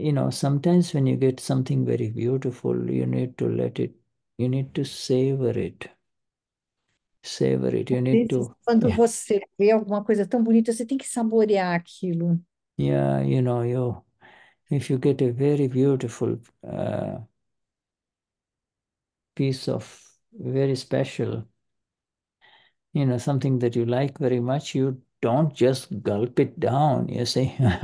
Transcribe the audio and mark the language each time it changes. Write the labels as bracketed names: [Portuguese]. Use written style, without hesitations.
[English] Sometimes when you get something very beautiful, you need to let it, you need to savor it. Savor it, you need to. [Portuguese] Quando você vê alguma coisa tão bonita, você tem que saborear aquilo. [English] Yeah, you know, if you get a very beautiful piece of very special, you know, something that you like very much, you don't just gulp it down, you see.